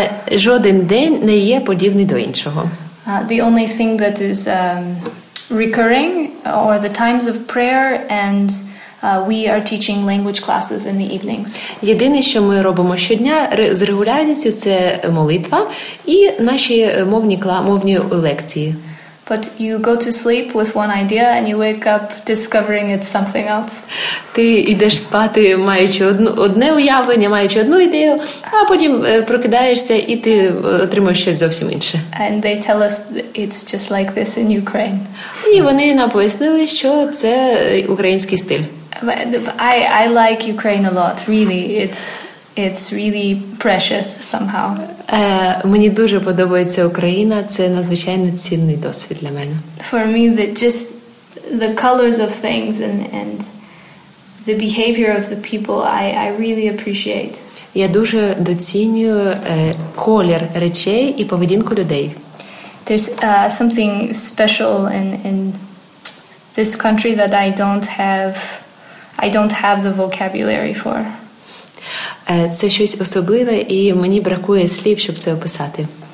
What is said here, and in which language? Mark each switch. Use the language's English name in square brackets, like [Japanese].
[Ukrainian] Жоден день не є подібний до іншого. [English] The only thing that is recurring or the times of prayer, and we are teaching language classes in the evenings. [Ukrainian] Єдине, що ми робимо щодня з регулярністю, це молитва і наші мовні лекції. [English] But you go to sleep with one idea and you wake up discovering it's something else. [Ukrainian] Ти йдеш спати, маючи одне уявлення, маючи одну ідею, а потім прокидаєшся і ти отримуєш щось зовсім інше. [English] And they tell us it's just like this in Ukraine. [Ukrainian] І вони нам пояснили, що це український стиль. [English] I like Ukraine a lot, really. It's really precious somehow. [Ukrainian] Мені дуже подобається Україна. Це надзвичайно цінний досвід для мене. [English] For me, the colors of things and the behavior of the people, I really appreciate. [Ukrainian] Я дуже доцінюю колір речей і поведінку людей. [English] There's something special in this country that I don't have the vocabulary for. [Ukrainian] Це щось особливе, і мені бракує слів, щоб це описати.